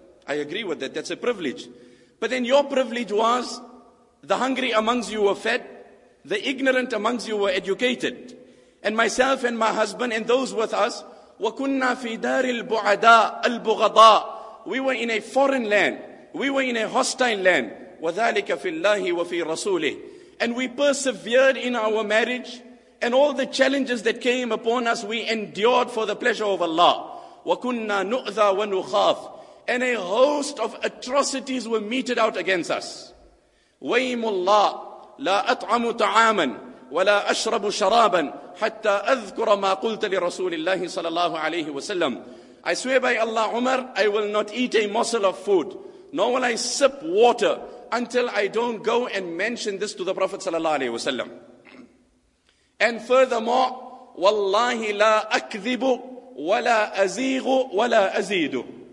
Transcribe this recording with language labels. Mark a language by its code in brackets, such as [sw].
[en] I agree with that. That's a privilege. But then your privilege was the hungry amongst you were fed, the ignorant amongst you were educated, and myself and my husband and those with us, [ar] وَكُنَّا فِي دَارِ الْبُعَدَاءِ الْبُغَضَاءِ, [en] we were in a foreign land, we were in a hostile land, [ar] وَذَلِكَ فِي اللَّهِ وَفِي رَسُولِهِ, [en] and we persevered in our marriage, and all the challenges that came upon us, we endured for the pleasure of Allah, [ar] وَكُنَّا نُؤْذَى وَنُخَافِ, [en] and a host of atrocities were meted out against us. [ar] وَيْمُ اللَّهِ لا أطعم طعاما ولا أشرب شرابا حتى أذكر ما قلت لرسول الله صلى الله عليه وسلم. [en] I swear by Allah, Umar, I will not eat a morsel of food, nor will I sip water until I don't go and mention this to the Prophet sallallahu alaihi wasallam. And furthermore, [ar] wallahi la akdhibu wala azighu wala azidu.